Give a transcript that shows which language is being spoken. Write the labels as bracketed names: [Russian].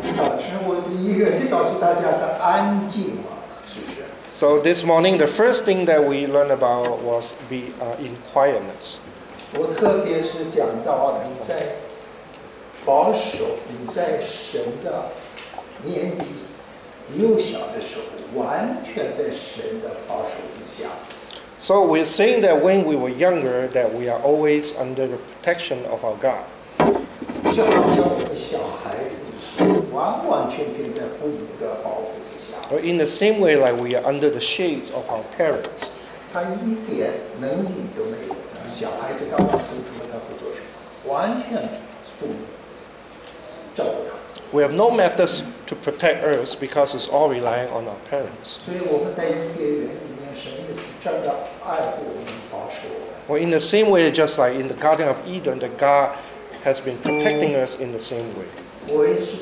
[Chinese] 早晨我第一个就告诉大家是安静嘛，是不是？ [English] So this morning, the first thing that we learned about was be in quietness. [Chinese] 我特别是讲到你在保守，你在神的年纪幼小的时候，完全在神的保守之下。 [English] So we're saying that when we were younger, that we are always under the protection of our God. [Chinese] 就好像我们小孩子是完完全全在父母的保护之下。 [English] Or in the same way, like we are under the shades of our parents. [Chinese] 他一点能力都没有，小孩子刚刚生出来他会做什么？完全父母照顾他。 [English] We have no methods to protect us because it's all relying on our parents. Well, in the same way, just like in the Garden of Eden, that God has been protecting us in the same way.